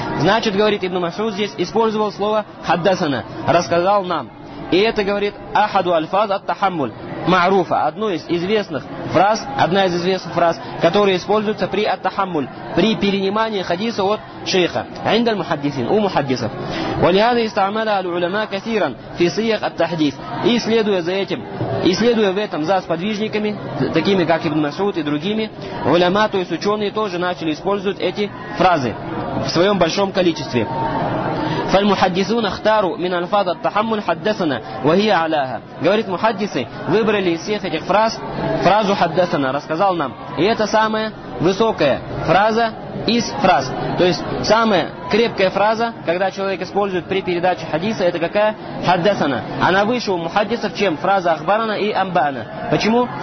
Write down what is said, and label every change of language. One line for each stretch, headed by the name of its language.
Russian: Значит, говорит ибн Масуд, здесь использовал слово хаддасана, рассказал нам. И это говорит
Arabic: ахаду альфаз ат-тахаммуль.
Russian: Маруфа, одно из известных фраз, одна из известных фраз, которая используется при ат-тахаммуль, при перенимании хадиса от шейха.
Arabic: عند المحدثين,
Russian: у мухаддисов.
Arabic: ولهذا استعمل العلماء كثيرا في صيغ التحديث.
Russian: И следуя за этим, и следуя в этом за сподвижниками, такими как ибн Масуд и другими, улема, то есть ученые, тоже начали использовать эти фразы в своем большом количестве.
Arabic: فالمحدثون اختاروا من الفاظ التحمل حدثنا وهي علاها.
Russian: Говорит, мухаддисы выбрали из всех этих фраз фразу хаддасана, рассказал нам. И это самая высокая фраза из фраз. То есть самая крепкая фраза, когда человек использует при передаче хадиса, это какая? Хаддасана. Она выше у мухаддисов, чем фраза ахбарана и амбаана. Почему?